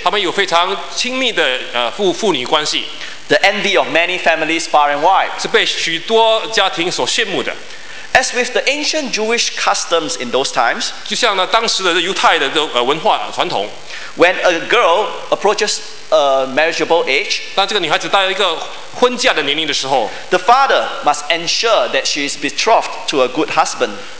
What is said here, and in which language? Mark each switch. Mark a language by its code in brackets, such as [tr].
[zh] 他们有非常亲密的 父女关系. [en] The envy of many families far and wide. [zh] 是被许多家庭所羡慕的. [en] As with the ancient Jewish customs in those times, [zh] 就像呢当时的犹太的文化传统, [en] when a girl approaches a marriageable age, [zh] 当这个女孩子到一个婚嫁的年龄的时候, [en] the father must ensure that she is betrothed to a good husband.